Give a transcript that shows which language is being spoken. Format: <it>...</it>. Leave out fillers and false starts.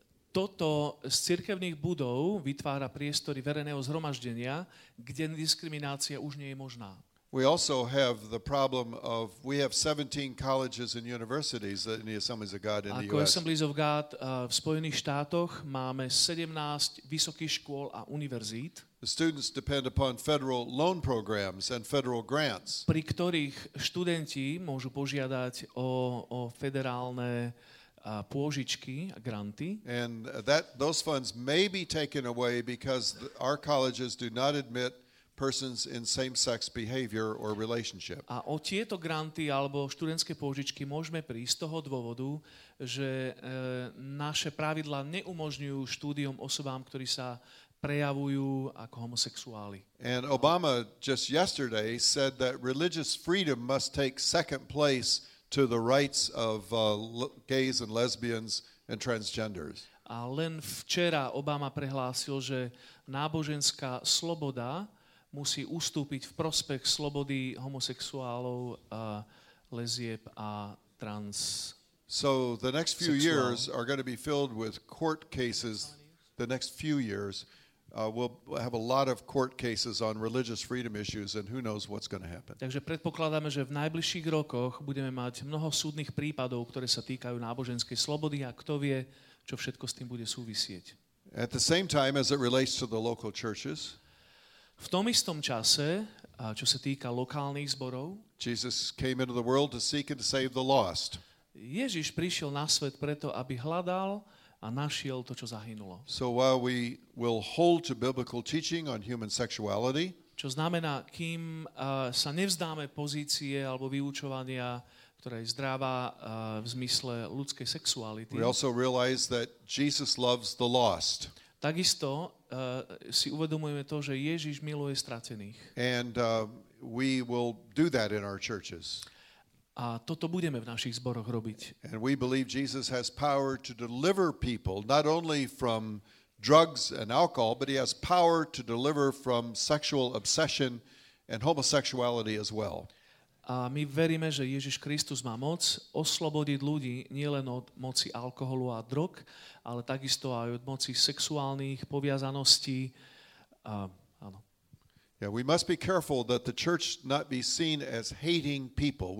<sk>Toto z cirkevných budov vytvára priestory verejného zhromaždenia, kde diskriminácia už nie je možná.</sk> <en>We also have the problem of we have 17 colleges and universities in the Assemblies of God in the US.</en> <sk>Ako Assemblies of God v Spojených štátoch máme 17 vysokých škôl a univerzít.</sk> <en>The students depend upon federal loan programs and federal grants.</en> <sk>Pri ktorých študenti môžu požiadať o federálne pôžičky a granty.</sk> <en>And that those funds may be taken away because our colleges do not admit persons in same-sex behavior or relationship.</en> <sk>A o tieto granty alebo študentské pôžičky môžeme prísť z toho dôvodu, že naše pravidlá neumožňujú štúdium osobám, ktorí sa prejavujú ako homosexuáli.</sk> <en>And Obama just yesterday said that religious freedom must take second place to the rights of gays and lesbians and transgenders.</en> <sk>A len včera Obama prehlásil, že náboženská sloboda musí ustúpiť v prospech slobody homosexuálov, lesieb a trans.</sk> <en>So the next few years are going to be filled with court cases. The next few years we'll have a lot of court cases on religious freedom issues and who knows what's going to happen.</en> <sk>Takže predpokladáme, že v najbližších rokoch budeme mať mnoho súdnych prípadov, ktoré sa týkajú náboženskej slobody a kto vie, čo všetko s tým bude súvisieť.</sk> <en>At the same time as it relates to the local churches.</en> <sk>V tom istom čase, čo sa týka lokálnych zborov,</sk> <en>Jesus came into the world to seek and to save the lost.</en> <sk>Ježiš prišiel na svet preto, aby hľadal a našiel to, čo zahynulo.</sk> <en>So while we will hold to biblical teaching on human sexuality,</en> <sk>čo znamená, kým sa nevzdáme pozície alebo vyučovania, ktoré je zdravá v zmysle ľudskej sexuality,</sk> <en>we also realize that Jesus loves the lost.</en> <sk>Takisto si uvedomujeme to, že Ježiš miluje stratených.</sk> <en>And we will do that in our churches.</en> <sk>A toto budeme v našich zboroch robiť.</sk> <en>And we believe Jesus has power to deliver people not only from drugs and alcohol, but he has power to deliver from sexual obsession and homosexuality as well.</en> <sk>A my veríme, že Ježiš Kristus má moc oslobodiť ľudí nielen od moci alkoholu a drog, ale takisto aj od moci sexuálnych poviazaností. Áno.</sk> <en>Yeah, we must be careful that the church not be seen as hating people.</en>